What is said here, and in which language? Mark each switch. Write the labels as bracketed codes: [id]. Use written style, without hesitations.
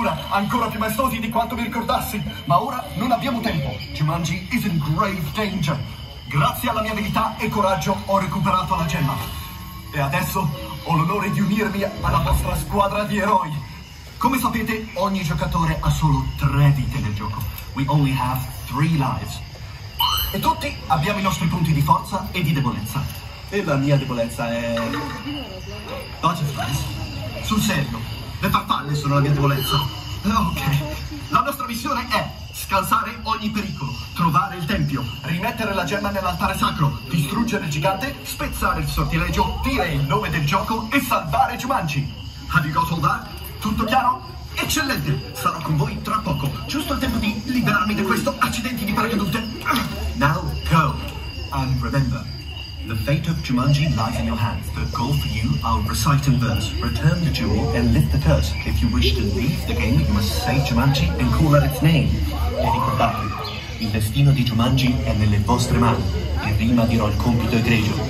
[it] Ancora più maestosi di quanto mi ricordassi. Ma ora non abbiamo tempo. [en] Jumanji is in grave danger. [it] Grazie alla mia abilità e coraggio ho recuperato la gemma. E adesso ho l'onore di unirmi alla vostra squadra di eroi. Come sapete, ogni giocatore ha solo 3 vite nel gioco. [en] We only have 3 lives. [it] E tutti abbiamo i nostri punti di forza e di debolezza. E la mia debolezza è... [en] Butterflies? [it] Sul serio, le farfalle sono la mia debolezza. Ok, la nostra missione è scansare ogni pericolo, trovare il tempio, rimettere la gemma nell'altare sacro, distruggere il gigante, spezzare il sortilegio, dire il nome del gioco e salvare Jumanji. [en] Have you got all that? [it] Tutto chiaro? Eccellente, sarò con voi tra poco, giusto il tempo di liberarmi da questo accidente di paracadute. [en] Now go, and remember, the fate of Jumanji lies in your hands. The goal for you, I'll recite in verse. Return the jewel and lift the curse. If you wish to leave the game, you must say Jumanji and call out its name. [it] E ricordate, il destino di Jumanji è nelle vostre mani. E prima dirò il compito egregio.